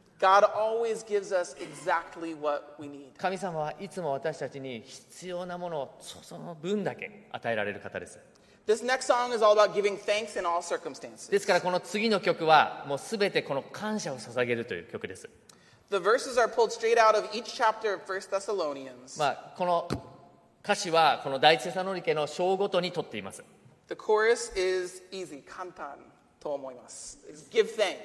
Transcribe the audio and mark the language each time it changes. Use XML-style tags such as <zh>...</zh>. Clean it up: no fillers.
<en>God always gives us exactly what we need.</en> <ja>神様はいつも私たちに必要なものをその分だけ与えられる方です。</ja> <en>This next song is all about giving thanks in all circumstances.</en> <ja>ですからこの次の曲はもうすべてこの感謝を捧げるという曲です。</ja> <en>The verses are pulled straight out of each chapter of 1 Thessalonians.</en> <ja>まあこの歌詞はこの第一テサロニケの章ごとに取っています。</ja> <en>The chorus is easy,</en> <ja>簡単。と思います。</ja> <en>Give thanks.</en>